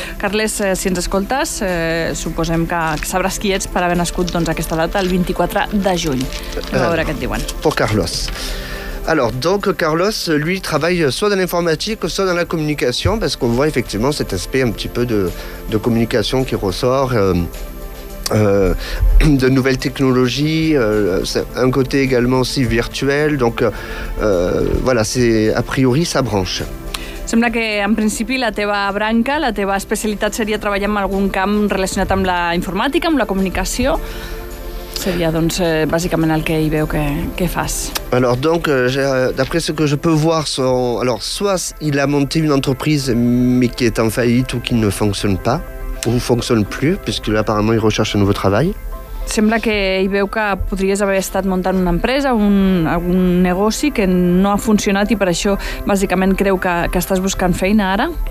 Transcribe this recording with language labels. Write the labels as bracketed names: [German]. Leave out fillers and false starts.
[Catalan] Carles, si ens escoltes, suposem que sabràs qui ets per haver nascut doncs, aquesta data, el 24 de juny. A veure què et diuen. [French] Pour Carlos. Alors, donc, Carlos, lui, travaille soit dans l'informatique, soit dans la communication, parce qu'on voit effectivement cet aspect un petit peu de communication qui ressort, de nouvelles technologies, c'est un côté également aussi virtuel. Donc, voilà, c'est a priori sa branche. [Catalan] Sembla que, en principi, la teva branca, la teva especialitat seria treballar en algun camp relacionat amb la informàtica, amb la comunicació. Seria, doncs, bàsicament el que hi veu que fas. [French] Alors, donc, d'après ce que je peux voir, alors, soit il a monté une entreprise, mais qui est en faillite ou qui ne fonctionne pas, ou ne fonctionne plus, puisque là, apparemment, il recherche un nouveau travail. [Catalan] Sembla que hi veu que podries haver estat muntant una empresa, algun negoci que no ha funcionat i per això bàsicament creu que estàs buscant feina ara.